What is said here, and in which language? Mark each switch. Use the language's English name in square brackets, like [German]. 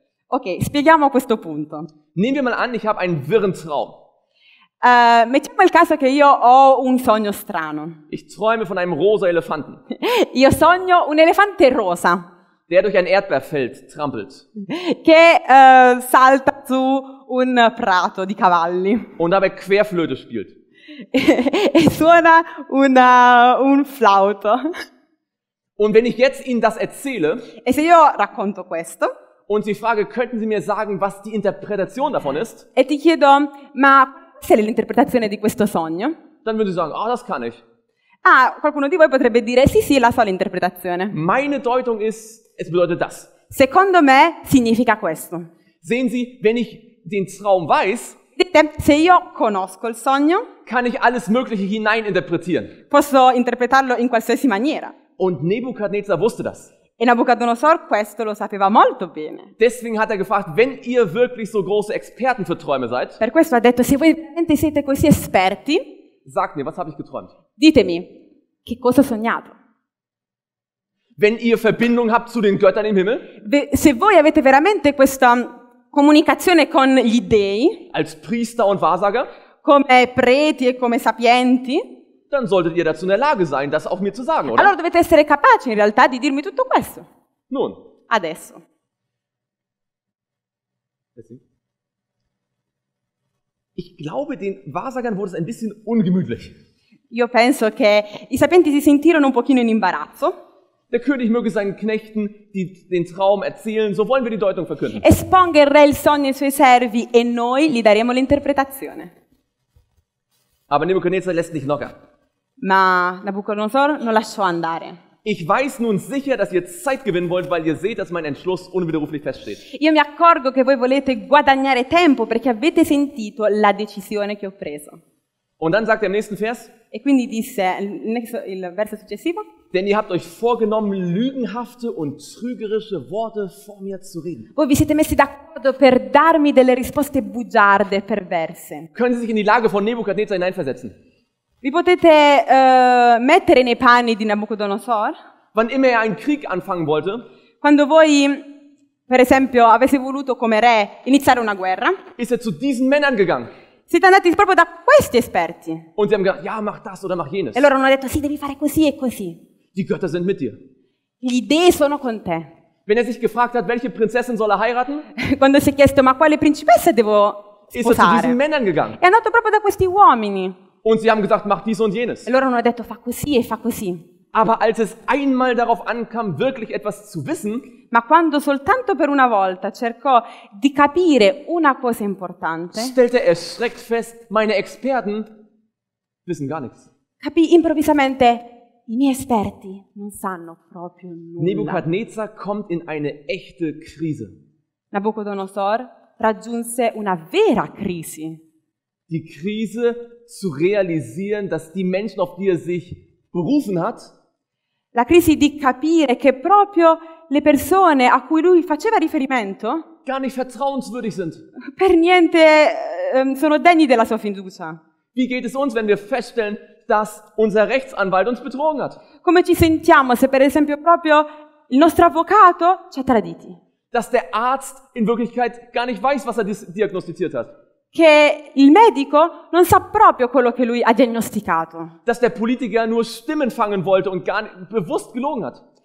[Italian] Okay, spieghiamo questo punto. [German] Nehmen wir mal an, ich habe einen wirren Traum. [Italian] Mettiamo il caso che io ho un sogno strano. [German] Ich träume von einem rosa Elefanten. [Italian] Io sogno un elefante rosa. [German] Der durch ein Erdbeerfeld trampelt. [Italian] Che salta su un prato di cavalli. [German] Und dabei Querflöte spielt. [Italian] E suona un flauto. [German] Und wenn ich jetzt Ihnen das erzähle. [Italian] E se io racconto questo. [German] Und Sie frage, könnten Sie mir sagen, was die Interpretation davon ist? [Italian] E ti chiedo, ma se l'interpretazione di questo sogno? [German] Dann würde ich sagen, oh, das kann ich. [Italian] Ah, qualcuno di voi potrebbe dire, sì, sì, la so l'interpretazione. [German] Meine Deutung ist, es bedeutet das. [Italian] Secondo me significa questo. [German] Sehen Sie, wenn ich den Traum weiß, [Italian] se io conosco il sogno, [German] kann ich alles Mögliche hineininterpretieren. [Italian] Posso interpretarlo in qualsiasi maniera. [German] Und Nebuchadnezzar wusste das. [Italian] E Nabucodonosor questo lo sapeva molto bene. [German] Deswegen hat gefragt, wenn ihr wirklich so große Experten für Träume seid. [Italian] Per questo ha detto, se voi veramente siete così esperti. [German] Sagt mir, was habe ich geträumt? [Italian] Ditemi, che cosa ho sognato? [German] Wenn ihr Verbindung habt zu den Göttern im Himmel? [Italian] Se voi avete veramente questa comunicazione con gli dei? [German] Als Priester und Wahrsager? [Italian] Come preti e come sapienti? [German] Dann solltet ihr dazu in der Lage sein, das auch mir zu sagen, oder? [Italian] Allora dovete essere capaci in realtà di dirmi tutto questo. [German] Nun. [Italian] Adesso. [German] Ich glaube, den Wahrsagern wurde es ein bisschen ungemütlich. [Italian] Io penso che i sapienti si sentirono un pochino in imbarazzo. [German] Der König möge seinen Knechten die, den Traum erzählen, so wollen wir die Deutung verkünden. [Italian] Esponga il re il sogno ai suoi servi e noi gli daremo l'interpretazione. [German] Aber Nebuchadnezzar lässt nicht locker. [Italian] Ma Nabucodonosor non lasciò andare. [German] Ich weiß nun sicher, dass ihr Zeit gewinnen wollt, weil ihr seht, dass mein Entschluss unwiderruflich feststeht. [Italian] Io mi accorgo che voi volete guadagnare tempo perché avete sentito la decisione che ho preso. [German] Und dann sagt er im nächsten Vers? [Italian] E quindi disse il verso successivo? [German] Denn ihr habt euch vorgenommen, lügenhafte und trügerische Worte vor mir zu reden. [Italian] Voi vi siete messi d'accordo per darmi delle risposte bugiarde, perverse. [German] Können Sie sich in die Lage von Nebuchadnezzar hineinversetzen? [Italian] Vi potete mettere nei panni di Nabucodonosor? [German] Wann immer er einen Krieg anfangen wollte? [Italian] Quando voi, per esempio, avesse voluto come re iniziare una guerra? [German] Ist er zu diesen Männern gegangen? [Italian] Siete andati proprio da questi esperti. [German] Und sie haben gesagt, ja, mach das oder mach jenes. [Italian] E loro hanno detto, sì, devi fare così e così. [German] Die Götter sind mit dir. [Italian] Gli dei sono con te. [German] Wenn er sich gefragt hat, welche Prinzessin soll er heiraten? [Italian] Quando si è chiesto, ma quale principessa devo sposare? [German] Ist er zu diesen Männern gegangen? [Italian] È andato proprio da questi uomini. [German] Und sie haben gesagt, mach dies und jenes. [Italian] E loro hanno detto, fa così e fa così. [German] Aber als es einmal darauf ankam, wirklich etwas zu wissen, [Italian] ma quando soltanto per una volta cercò di capire una cosa importante, [German] stellte er erschreckt fest, meine Experten wissen gar nichts. [Italian] Capì improvvisamente, i miei esperti non sanno proprio nulla. [German] Nebuchadnezzar kommt in eine echte Krise. [Italian] Nabucodonosor raggiunse una vera crisi. [German] Die Krise zu realisieren, dass die Menschen, auf die er sich berufen hat, [Italian] la crisi di capire che proprio le persone a cui lui faceva riferimento [German] gar nicht vertrauenswürdig sind. [Italian] Per niente sono degni della sua fiducia. [German] Wie geht es uns, wenn wir feststellen, dass unser Rechtsanwalt uns betrogen hat? [Italian] Come ci sentiamo se per esempio proprio il nostro avvocato ci ha traditi? [German] Dass der Arzt in Wirklichkeit gar nicht weiß, was er diagnostiziert hat. [Italian] Che il medico non sa proprio quello che lui ha diagnosticato. [German] Dass der Politiker nur Stimmen fangen wollte und gar nicht, bewusst gelogen hat.